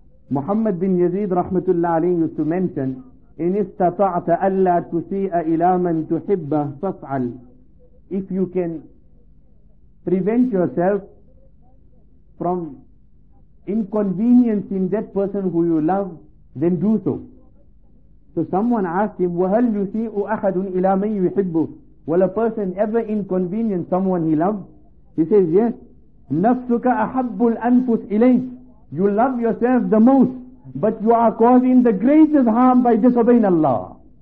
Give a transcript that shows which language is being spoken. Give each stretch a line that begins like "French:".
English: Muhammad bin Yazid rahmatullah alayhi used to mention,
Arabic: إِنْ إِسْتَطَعْتَ أَلَّا تُسِيءَ إِلَى مَنْ تُحِبَّهُ فَصْعَلْ.
English: If you can prevent yourself from inconveniencing that person who you love, then do so. So someone asked him,
Arabic: وَهَلْ يُسِيءُ أَحَدٌ إِلَى مَنْ يُحِبُّهُ.
English: Will a person ever inconvenience someone he loves? He says, yes.
Arabic: نَفْسُكَ أَحَبُّ الْأَنْفُسِ إِلَيْكَ.
English: You love yourself the most, but you are causing the greatest harm by disobeying Allah.